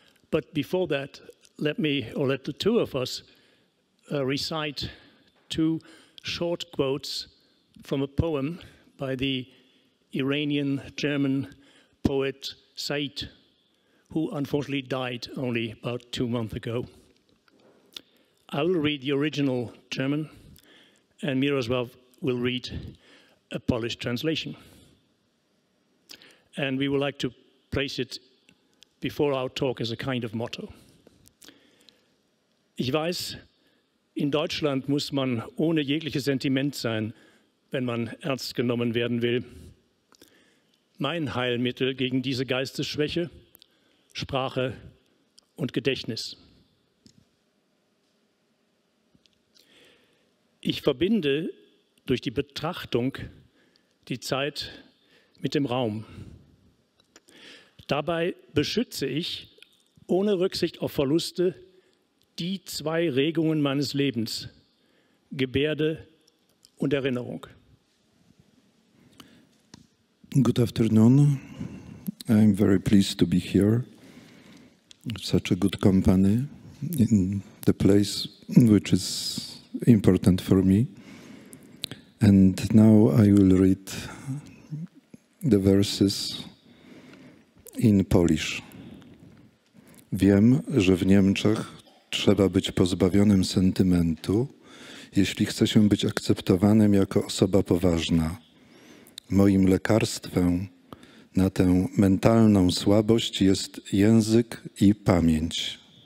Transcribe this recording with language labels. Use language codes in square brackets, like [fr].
[en] But before that, let the two of us recite two short quotes from a poem by the Iranian-German poet Said, who unfortunately died only about 2 months ago. I will read the original German, and Mirosław will read a Polish translation. And we would like to place it before our talk as a kind of motto. [de] Ich weiß, in Deutschland muss man ohne jegliches Sentiment sein, wenn man ernst genommen werden will. Mein Heilmittel gegen diese Geistesschwäche, Sprache und Gedächtnis. Ich verbinde durch die Betrachtung die Zeit mit dem Raum. Dabei beschütze ich, ohne Rücksicht auf Verluste, die zwei Regungen meines Lebens, Gebärde und Erinnerung. [en] Good afternoon. I'm very pleased to be here. Such a good company in the place which is important for me. And now I will read the verses in Polish. [pl] Wiem, że w Niemczech trzeba być pozbawionym sentymentu, jeśli chce się być akceptowanym jako osoba poważna. Moim lekarstwem na tę mentalną słabość jest język i pamięć.